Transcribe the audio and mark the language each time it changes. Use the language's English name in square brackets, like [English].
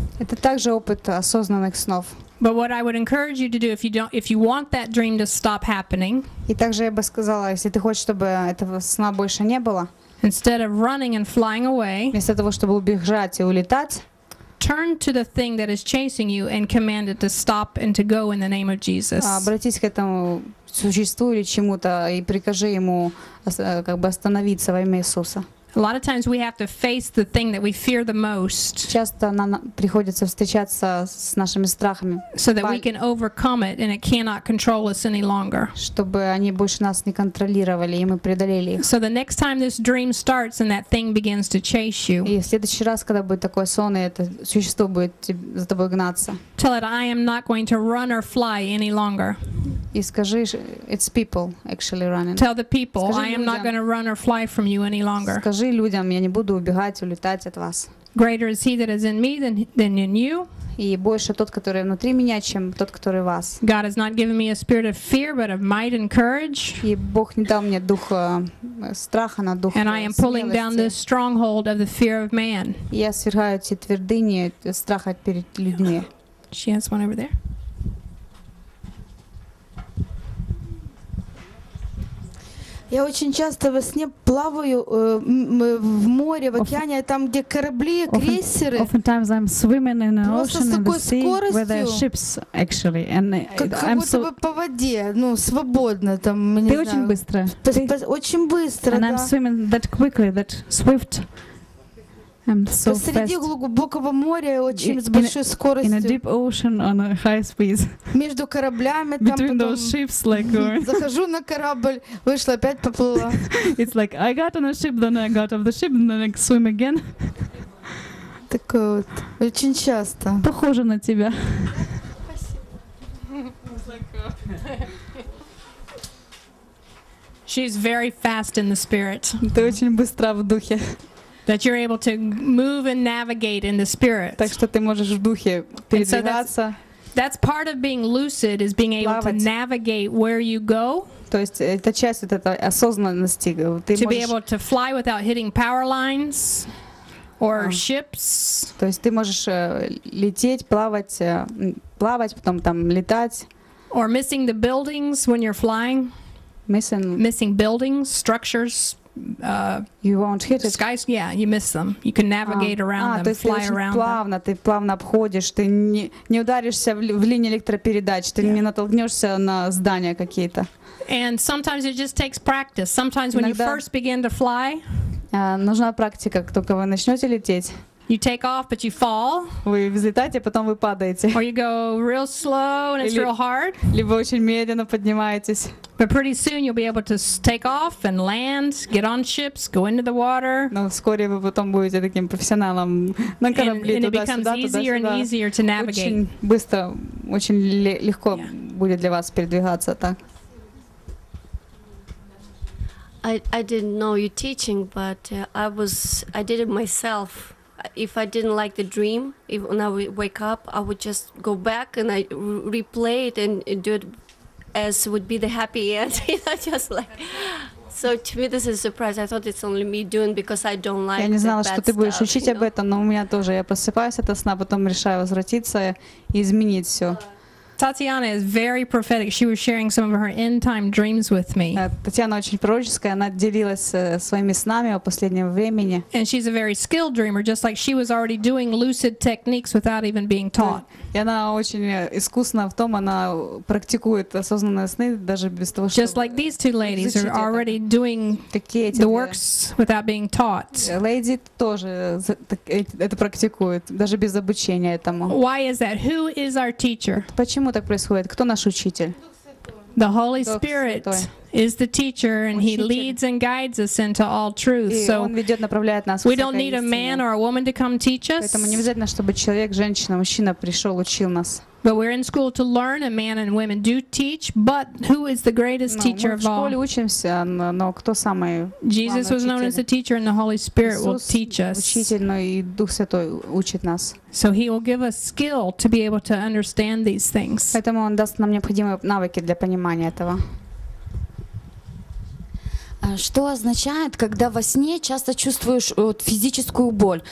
[Russian] Это также опыт осознанных снов. [English] But what I would encourage you to do, if you want that dream to stop happening, [Russian] и также я бы сказала, если ты хочешь, чтобы этого сна больше не было, [English] instead of running and flying away, [Russian] вместо того, чтобы убежать и улетать, [English] turn to the thing that is chasing you and command it to stop and to go in the name of Jesus. [Russian] Обратись к этому существу или чему-то и прикажи ему как бы остановиться во имя Иисуса. [English] A lot of times we have to face the thing that we fear the most. [Russian] Часто нам приходится встречаться с нашими страхами. [English] So that we can overcome it and it cannot control us any longer. [Russian] Чтобы они больше нас не контролировали и мы преодолели их. [English] So the next time this dream starts and that thing begins to chase you. [Russian] И в следующий раз, когда будет такой сон и это существо будет за тобой гнаться. [English] Tell it I am not going to run or fly any longer. [Russian] И скажи, [English] it's people actually running. Tell the people I am not going to run or fly from you any longer. [Russian] Скажи людям, я не буду убегать, улетать от вас. [English] Greater is he that is in me than in you. [Russian] И больше тот, который внутри меня, чем тот, который в вас. [English] God has not given me a spirit of fear, but of might and courage. [Russian] И Бог не дал мне дух страха, но дух смелости. [English] And I am pulling down the stronghold of the fear of man. [Russian] Я свергаю эти твердыни страха перед людьми. [English] She has one over there. [Russian] Я очень часто во сне плаваю в море, в океане, там, где корабли, крейсеры. [English] Oftentimes I'm swimming in an ocean and the sea where there are ships actually, and I'm so. [Russian] Как будто бы по воде, ну свободно там. Ты очень быстро. Очень быстро. [English] And I'm swimming that quickly, that swift. I'm so fast. [Russian] Посреди глубокого моря очень с большой скоростью. [English] In a deep ocean on a high speed. [Russian] Между кораблями там. [English] Between those ships, like. [Russian] Захожу на корабль, вышла, опять поплыла. [English] It's like I got on a ship, then I got off the ship, and then I swim again. [Russian] Такое вот очень часто. Похоже на тебя. [English] She's very fast in the spirit. [Russian] Ты очень быстра в духе. [English] That you're able to move and navigate in the spirit. [Russian] Так что ты можешь в духе передвигаться. [English] That's part of being lucid is being able to navigate where you go. [Russian] То есть это часть этой осознанности. [English] To be able to fly without hitting power lines or ships. [Russian] То есть ты можешь лететь, плавать, потом там летать. [English] Or missing the buildings when you're flying. Missing buildings, structures. You won't hit the skies. Yeah, you miss them. You can navigate around them, [Russian] то есть [English] fly around [Russian] плавно, [English] them. [Russian] Ты плавно обходишь, ты не ударишься в линии электропередач, ты не натолкнешься на здания какие-то. [English] And sometimes it just takes practice. Sometimes when you first begin to fly, [Russian] нужна практика, как только вы начнете лететь. [English] You take off, but you fall. [Russian] Вы взлетаете, потом вы падаете. [English] Or you go real slow and it's real hard. [Russian] Либо очень медленно поднимаетесь. [English] But pretty soon you'll be able to take off and land, get on ships, go into the water. [Russian] Но вскоре вы потом будете таким профессионалом на корабле туда-сюда. [English] And it becomes easier and easier to navigate. [Russian] Очень быстро, очень легко будет для вас передвигаться так. [English] I didn't know you teaching, but I did it myself. If I didn't like the dream, if when I would wake up, I would just go back and I replay it and do it as would be the happy end. Just like, so to me this is a surprise. I thought it's only me doing because I don't like. [Russian] Я не знала, что ты будешь [English] stuff, [Russian] учить [English] you know? [Russian] Об этом, но у меня тоже. Я просыпаюсь от сна, потом решаю возвратиться и изменить все. [English] Татьяна is very prophetic. She was sharing some of her end-time dreams with me. [Russian] Татьяна очень пророческая. Она делилась своими снами о последнем времени. [English] And she's a very skilled dreamer, just like she was already doing lucid techniques without even being taught. [Russian] И она очень искусна в том, она практикует осознанные сны даже без того, чтобы. [English] Just like these two ladies are already doing the works without being taught. [Russian] Леди тоже это практикует даже без обучения этому. [English] Why is that? Who is our teacher? [Russian] Почему так происходит? Кто наш учитель? [English] The Holy Spirit is the teacher, and he leads and guides us into all truth. So [Russian] он ведет, направляет нас. [English] We don't need a man or a woman to come teach us. [Russian] Поэтому не обязательно, чтобы человек, женщина, мужчина пришел, учил нас. [English] But we're in school to learn, and men and women do teach, but who is the greatest teacher of all? [Russian] Мы в школе учимся, но кто самый? [English] Jesus was known as the teacher, and the Holy Spirit will teach us. [Russian] Учитель, но и Дух Святой учит нас. [English] So he will give us skill to be able to understand these things. [Russian] Поэтому он даст нам необходимые навыки для понимания этого. Что означает, когда во сне часто чувствуешь вот, физическую боль?